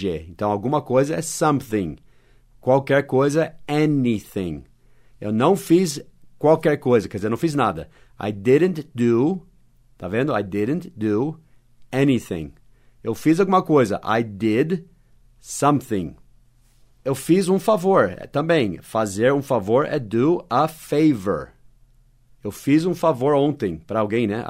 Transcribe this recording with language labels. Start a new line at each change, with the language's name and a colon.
Portuguese: Então, alguma coisa é
English: something.
Portuguese: Qualquer coisa,
English: anything.
Portuguese: Eu não fiz qualquer coisa, quer dizer, não fiz nada.
English: I didn't do,
Portuguese: tá vendo?
English: I didn't do anything.
Portuguese: Eu fiz alguma coisa.
English: I did something.
Portuguese: Eu fiz um favor, também. Fazer um favor é
English: do a favor.
Portuguese: Eu fiz um favor ontem para alguém, né?